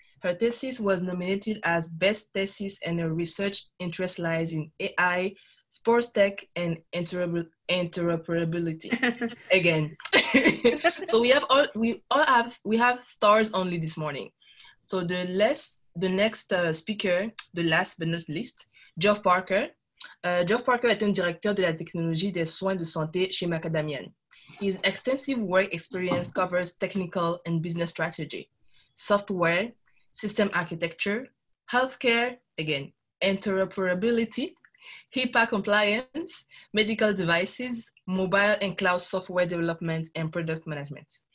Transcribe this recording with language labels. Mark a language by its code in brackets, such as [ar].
[en] Her thesis was nominated as Best Thesis, and her research interest lies in AI, sports tech, and interoperability. Again. So we have stars only this morning. So the next speaker, the last but not least, Geoff Parker. [fr] Geoff Parker est un directeur de la technologie des soins de santé chez Macadamian. [en] His extensive work experience covers technical and business strategy, software, system architecture, healthcare, again, interoperability, HIPAA compliance, medical devices, mobile and cloud software development, and product management.